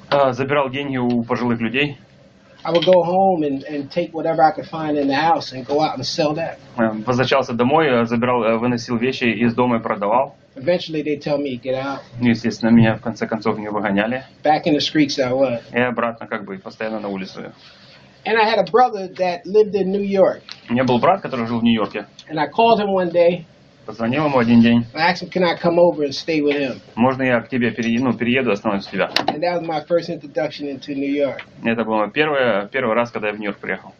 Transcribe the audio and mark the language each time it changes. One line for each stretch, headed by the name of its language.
Russian: забирал деньги у пожилых людей,
English: I would go home and take whatever I could find in the house and go out and sell that.
Russian: Возвращался домой, забирал, выносил вещи из дома и продавал.
English: Eventually they tell me to get out.
Russian: Естественно, меня в конце концов не выгоняли.
English: Back in the streets I was.
Russian: И обратно как бы постоянно на улицу.
English: And I had a brother that lived in New York.
Russian: У меня был брат, который жил в Нью-Йорке.
English: And I called him one day.
Russian: Позвонил ему один день.
English: I asked him, can I come over and stay with him?
Russian: Можно я к тебе перееду, останусь у тебя?
English: And that was my first introduction into New York.
Russian: Это был мой первый раз, когда я в Нью-Йорк приехал.